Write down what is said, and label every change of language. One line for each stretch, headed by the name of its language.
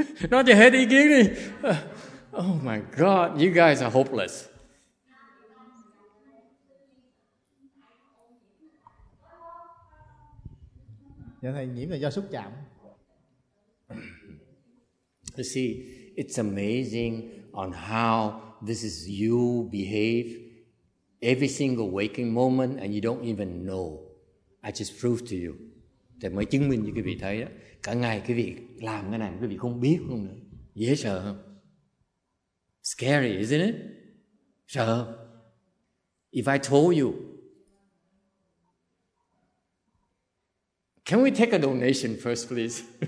Vietnamese: Nói cho hết ý kiến đi.
English: Oh my God, you guys are hopeless.
Vietnamese: Dạ thầy, nhiễm là do xúc chạm.
English: You see, it's amazing on how this is you behave. every single waking moment and you don't even know. I just proved to you.
Vietnamese: Thì mới chứng minh cho quý vị thấy đó. Cả ngày quý vị làm cái này quý vị không biết luôn nữa. Dễ sợ không?
English: Scary, isn't it?
Vietnamese: Sợ không?
English: If I told you, can we take a donation first, please?